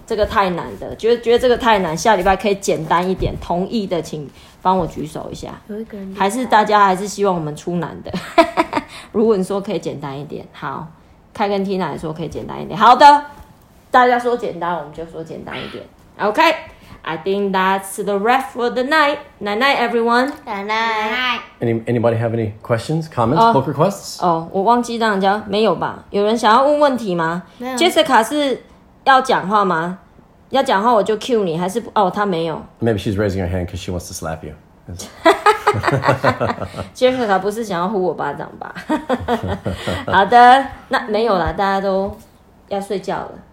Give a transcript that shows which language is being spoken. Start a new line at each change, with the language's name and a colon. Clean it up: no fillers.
Chinese: 这个太难的，觉得这个太难，下礼拜可以简单一点。同意的请帮我举手一下。还是大家还是希望我们出难的。如果你说可以简单一点，好，凯跟 Tina 说可以简单一点。好的，大家说简单，我们就说简单一点。
English: OK。 I think that's the wrap for the night. Night night, everyone. Night night. Anybody have any questions, comments, book requests?
Chinese: 哦，我忘记让人家没有吧？有人想要问问题吗？没有。 Jessica 是要讲话吗？要讲话我就 cue 你，还是哦，她没有。
English: Maybe she's raising her hand because she wants to slap you.
Chinese: Jessica 不是想要呼我巴掌吧？好的，那没有了，大家都要睡觉了。